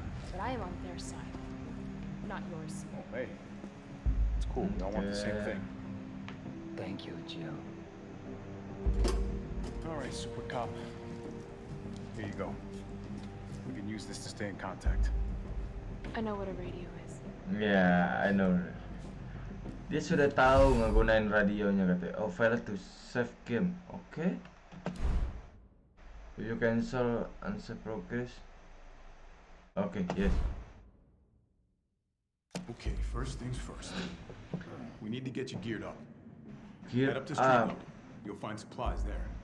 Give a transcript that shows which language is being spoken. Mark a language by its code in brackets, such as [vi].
[en] But I am on their side, not yours. Oh hey, it's cool. We all want the same thing. Thank you, Jill. All right, super cop. Here you go. We can use this to stay in contact. I know what a radio is. Yeah, I know. [id] Dia sudah tahu ngegunain radionya katanya. [en] Oh, failed to save game. Okay. You cancel unsafe progress. Okay, yes. Okay, first things first. We need to get you geared up. Gear up. Up. You'll find supplies there.